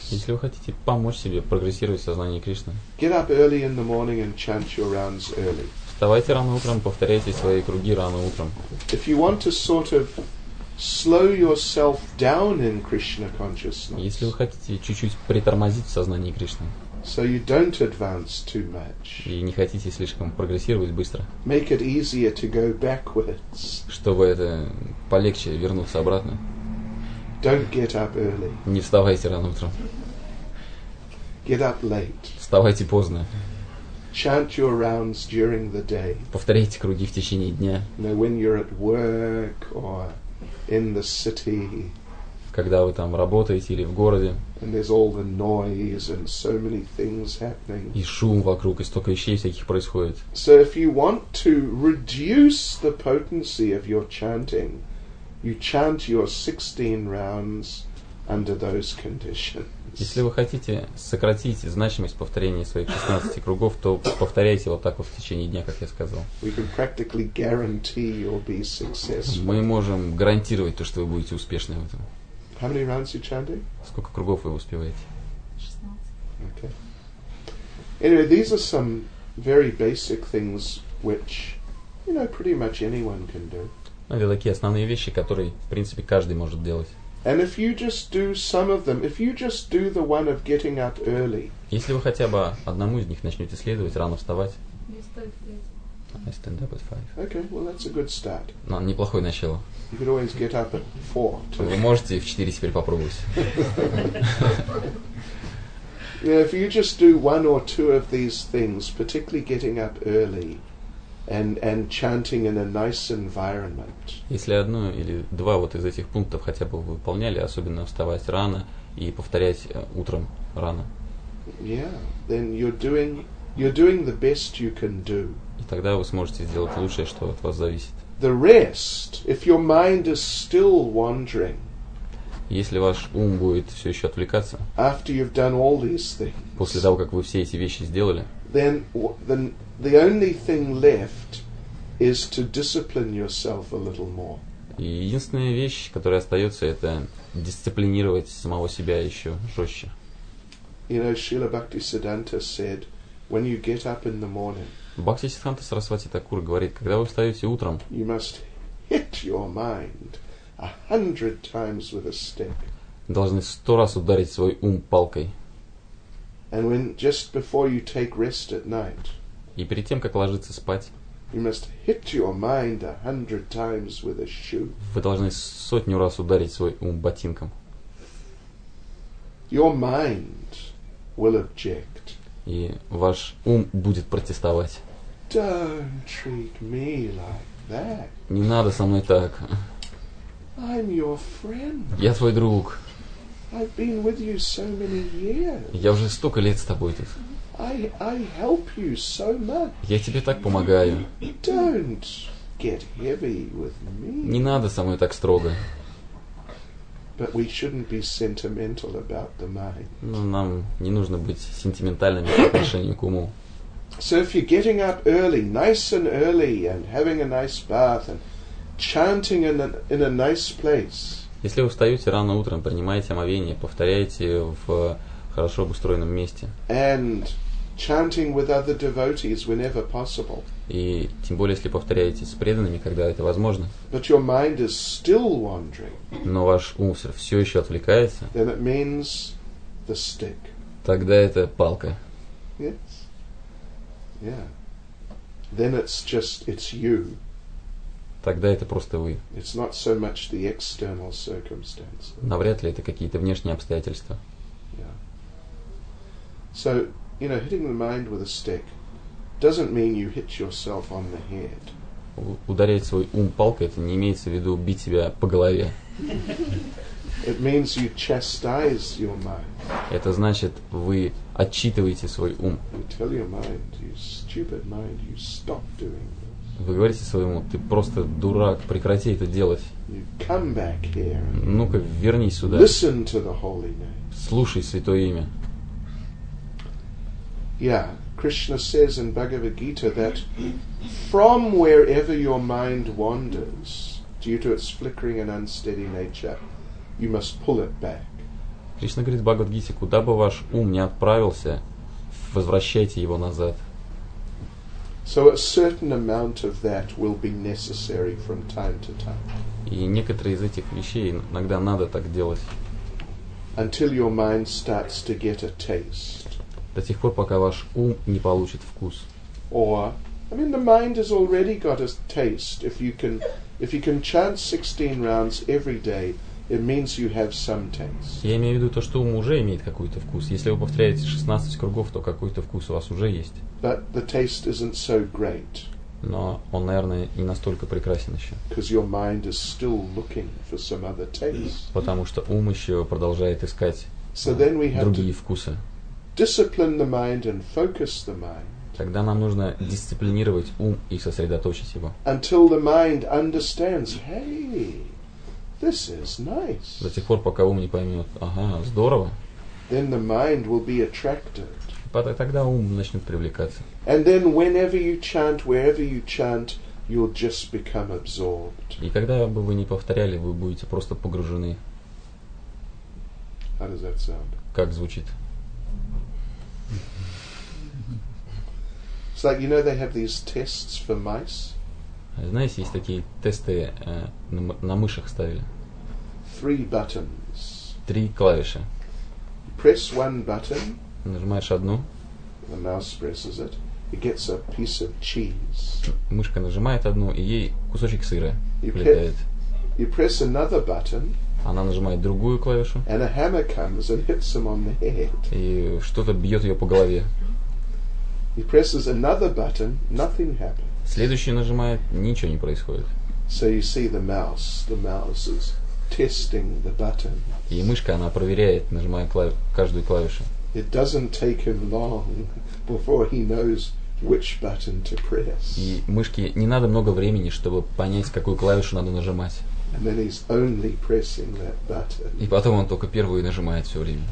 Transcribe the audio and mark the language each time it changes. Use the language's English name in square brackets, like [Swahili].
[Russian] если вы хотите помочь себе прогрессировать в сознании Кришны, [English] get up early in the morning and chant your rounds early. [Russian] Вставайте рано утром, повторяйте свои круги рано утром. [English] If you want to sort of slow yourself down in Krishna consciousness, [Russian] если вы хотите чуть-чуть притормозить в сознании Кришны, [English] so you don't advance too much, [Russian] и не хотите слишком прогрессировать быстро, [English] make it easier to go backwards, [Russian] чтобы это полегче вернуться обратно, [English] don't get up early, [Russian] не вставайте рано утром, [English] get up late, [Russian] вставайте поздно. [English] Chant your rounds during the day. [Russian] Повторяйте круги в течение дня. [English] Now, when you're at work or in the city. [Russian] Когда вы там работаете или в городе. [English] And there's all the noise and so many things happening. [Russian] И шум вокруг, и столько вещей всяких происходит. [English] So if you want to reduce the potency of your chanting, you chant your 16 rounds under those conditions. [Russian] Если вы хотите сократить значимость повторения своих 16 кругов, то повторяйте вот так вот в течение дня, как я сказал. [English] We can practically guarantee you'll be successful. [Russian] Мы можем гарантировать то, что вы будете успешны в этом. [English] How many rounds you chanting? [Russian] Сколько кругов вы успеваете? [English] 16. Okay. Anyway, these are some very basic things which, you know, pretty much anyone can do. [Russian] Это такие основные вещи, которые, в принципе, каждый может делать. [English] And if you just do some of them, if you just do the one of getting up early. [Russian] Если вы хотя бы одному из них начнете следовать, рано вставать. [English] Yes, I stand up at 5. Okay, well that's a good start. [Russian] Но неплохое начало. [English] You could always get up at 4. Too. [Russian] Вы можете в 4 теперь попробовать. [English] Yeah, if you just do one or two of these things, particularly getting up early. And chanting in a nice environment. [Russian] Если одно или два вот из этих пунктов хотя бы выполняли, особенно вставать рано и повторять утром рано. [English] Yeah, then you're doing the best you can do. [Russian] И тогда вы сможете сделать лучшее, что от вас зависит. [English] The rest, if your mind is still wandering. [Russian] Если ваш ум будет все еще отвлекаться. [English] After you've done all these things. [Russian] После того, как вы все эти вещи сделали. [English] Then the only thing left is to discipline yourself a little more. [Russian] Единственная вещь, которая остается, это дисциплинировать самого себя еще жестче. [English] You know, Srila Bhaktisiddhanta said, when you get up in the morning. [Russian] Бхактисиддханта Сарасвати Такур говорит, когда вы встаете утром. [English] You must hit your mind 100 times with a stick. [Russian] Должны 100 раз ударить свой ум палкой. [English] And when just before you take rest at night. [Russian] И перед тем, как ложиться спать, [English] you must hit your mind 100 times with a shoe. [Russian] Вы должны 100 раз ударить свой ум ботинком. [English] Your mind will object. [Russian] И ваш ум будет протестовать. [English] Don't treat me like that. [Russian] Не надо со мной так. [English] I'm your friend. [Russian] Я твой друг. [English] I've been with you so many years. [Russian] Я уже столько лет с тобой тут. [English] I help you so much. [Russian] Я тебе так помогаю. [English] Don't get heavy with me. [Russian] Не надо со мной так строго. [English] But we shouldn't be sentimental about the mind. [Russian] Но нам не нужно быть сентиментальными по отношению к уму. [English] So if you're getting up early, nice and early, and having a nice bath and chanting in a nice place. [Russian] Если вы встаете рано утром, принимаете омовение, повторяете в хорошо обустроенном месте. [English] And chanting with other devotees whenever possible. [Russian] И тем более, если повторяете с преданными, когда это возможно. [English] But your mind is still wandering. [Russian] Но ваш ум все еще отвлекается. [English] Then it means the stick. [Russian] Тогда это палка. [English] Yes. Yeah. Then it's just it's you. [Russian] Тогда это просто вы. [English] It's not so much the external circumstances. [Russian] Навряд ли это какие-то внешние обстоятельства. [English] So, you know, hitting the mind with a stick doesn't mean you hit yourself on the head. [Russian] Ударять свой ум палкой, это не имеется в виду бить себя по голове. [English] It means you chastise your mind. [Russian] Это значит, вы отчитываете свой ум. [English] You tell your mind, you stupid mind, you stop doing this. [Russian] Вы говорите своему: ты просто дурак, прекрати это делать. [English] You come back here. [Russian] Ну-ка, вернись сюда. [English] Listen to the holy name. [Russian] Слушай святое имя. [English] Yeah, Krishna says in Bhagavad Gita that from wherever your mind wanders, due to its flickering and unsteady nature, you must pull it back. [Russian] Кришна говорит в Бхагавад-гите, куда бы ваш ум ни отправился, возвращайте его назад. [English] So a certain amount of that will be necessary from time to time. [Russian] И некоторые из этих вещей иногда надо так делать. [English] Until your mind starts to get a taste. [Russian] До тех пор, пока ваш ум не получит вкус. [English] Or, I mean, the mind has already got a taste. If you can chant 16 rounds every day, it means you have some taste. [Russian] Я имею в виду то, что ум уже имеет какой-то вкус. Если вы повторяете 16 кругов, то какой-то вкус у вас уже есть. [English] But the taste isn't so great. [Russian] Но он, наверное, не настолько прекрасен еще. [English] Because your mind is still looking for some other taste. [Russian] Потому что ум еще продолжает искать другие вкусы. [English] Discipline the mind and focus the mind. [Russian] Тогда нам нужно дисциплинировать ум и сосредоточить его. [English] Until the mind understands, hey, this is nice. [Russian] До тех пор, пока ум не поймет, ага, здорово. [English] Then the mind will be attracted. [Russian] Тогда ум начнет привлекаться. [English] And then whenever you chant, wherever you chant, you'll just become absorbed. [Russian] И когда бы вы ни повторяли, вы будете просто погружены. [English] How does that sound? [Russian] Как звучит? [English] It's like, you know, they have these tests for mice. [Russian] Знаете, есть такие тесты на мышах ставили. [English] Three buttons. [Russian] Три клавиши. [English] Press one button. [Russian] Нажимаешь одну. [English] The mouse presses it. It gets a piece of cheese. [Russian] Мышка нажимает одну, и ей кусочек сыра влетает. [English] You press another button. [Russian] Она нажимает другую клавишу. [English] And a hammer comes and hits him on the head. [Russian] И что-то бьет ее по голове. [English] He presses another button, nothing happens. [Russian] Следующий нажимает, ничего не происходит. [English] So you see the mouse is testing the button. [Russian] И мышка, она проверяет, нажимая каждую клавишу. [English] It doesn't take him long before he knows which button to press. [Russian] И мышке не надо много времени, чтобы понять, какую клавишу надо нажимать. [English] And then he's only pressing that button. [Russian] И потом он только первую нажимает все время.